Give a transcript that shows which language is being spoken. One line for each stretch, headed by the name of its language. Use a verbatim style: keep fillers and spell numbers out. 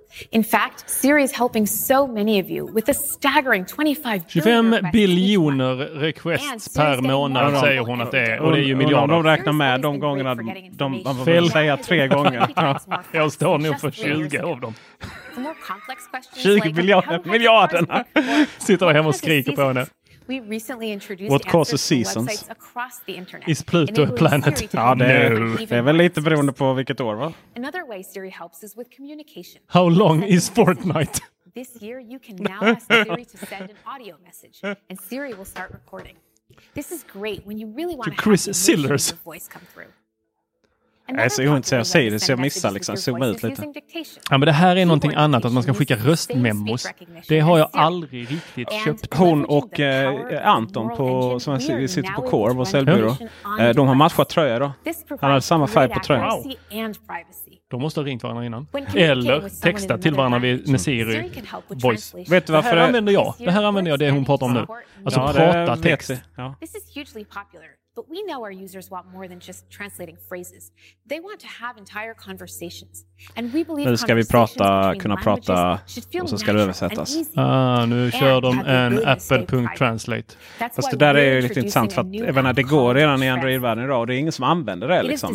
English: In fact, Siri is helping so many of you with a staggering twenty-five
Swedish: biljoner requests per månad säger hon att det är. Och det är ju miljarder. De räknar med de gångerna de, de, de fel säger tre gånger. Jag står nog för tjugo av dem. tjugo miljarder, miljarderna. Sitter där hemma och skriker på henne.
English: We recently introduced what causes seasons across the internet. Is Pluto a planet?
Swedish: Ja, det är, det är väl lite beroende på vilket år, va?
English: Another way Siri helps is with communication. How long is Fortnite? This year you can now ask Siri to send an audio message and Siri will start recording. This is great when you really want to Chris Sillers voice come through.
Swedish: Jag ser inte jag säger det så jag missar liksom, zooma ut lite. Ja, men det här är någonting annat, att man ska skicka röstmemos. Det har jag aldrig riktigt köpt. Hon och eh, Anton på, som sitter på Corv och Säljbyrå, eh, de har matchat tröjor då. Han har samma färg på tröjan. Wow. De måste ha ringt varandra innan. Eller texta till varandra med Siri voice. Vet du varför det här använder jag? Det här använder jag, det hon pratar om nu. Alltså ja, prata text. Ja.
English: But we know our users want more than just translating phrases. They want to have entire conversations. And we believe
Swedish: nu ska vi prata, kunna prata och så ska det översättas. Ah, nu kör de en Apple.translate. Fast det där är ju lite intressant för att även när det går redan i Android-världen idag och det är ingen som använder det liksom.